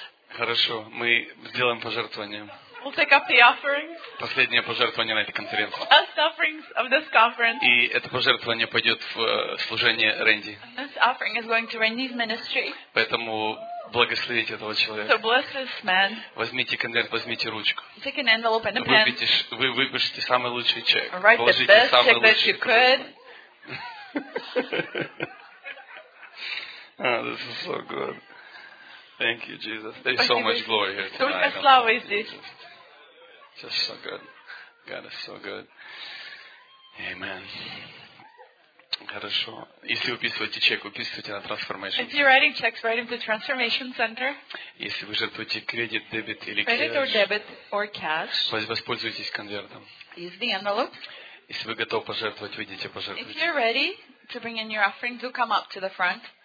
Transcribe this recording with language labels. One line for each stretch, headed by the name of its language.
Russian: Хорошо, мы сделаем пожертвование.
English: We'll take up the offering.
Russian: Последнее пожертвование на этой конференции.
English: Last offerings of this conference.
Russian: И это пожертвование пойдет в служение Рэнди.
English: And this offering is going to Randy's ministry.
Russian: Поэтому благословите этого человека.
English: So bless this man.
Russian: Возьмите конверт, возьмите ручку.
English: Take an envelope and a pen.
Russian: Вы выпишите самый лучший чек.
English: Write the best check that you could. Oh, this is so good. Thank you, Jesus. There's so much glory here tonight.
Russian: Только слава здесь.
English: Just so good. God is so good. Amen.
Russian: Хорошо. Если вы писываете чек, выписывайте на Transformation
English: Center. If you're writing checks, write them to Transformation Center.
Russian: Если вы жертвуете кредит, дебет или
English: кэш. Credit or debit or cash.
Russian: Воспользуйтесь конвертом.
English: Use the envelope.
Russian: Если вы готовы пожертвовать, выйдите пожертвовать.
English: If you're ready to bring in your offering, do come up to the front.